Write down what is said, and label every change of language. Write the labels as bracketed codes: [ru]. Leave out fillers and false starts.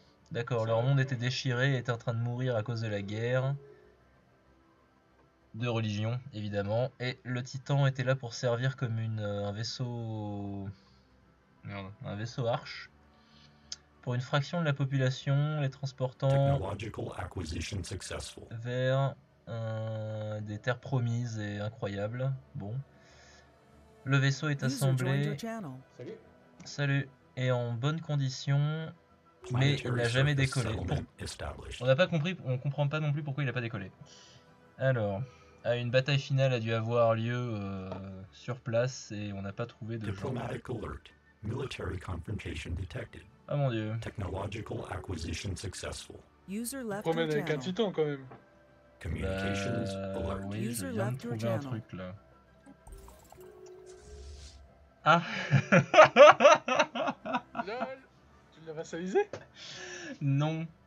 [fr] D'accord, leur monde était déchiré et est en train de mourir à cause de la guerre. De religion, évidemment. Et le titan était là pour servir comme un vaisseau. Merde. Un vaisseau arche. Pour une fraction de la population, les transportant. [en] Technological acquisition successful. [fr] Vers. Des terres promises et incroyables. Bon. Le vaisseau est assemblé. Salut. Salut. Et en bonne condition. Mais il n'a jamais décollé. On n'a pas compris. On comprend pas non plus pourquoi il n'a pas décollé. Alors. Une bataille finale a dû avoir lieu sur place et on n'a pas trouvé de. [en] Diplomatic alert. Military confrontation detected. [fr] Ah mon dieu. [en] Technological acquisition successful. [fr] User left on promène avec un titan quand même. [en] Communications alert. [fr] Oui, je viens de trouver un truc là. Ah! Lol! Tu l'as vassalisé? Non.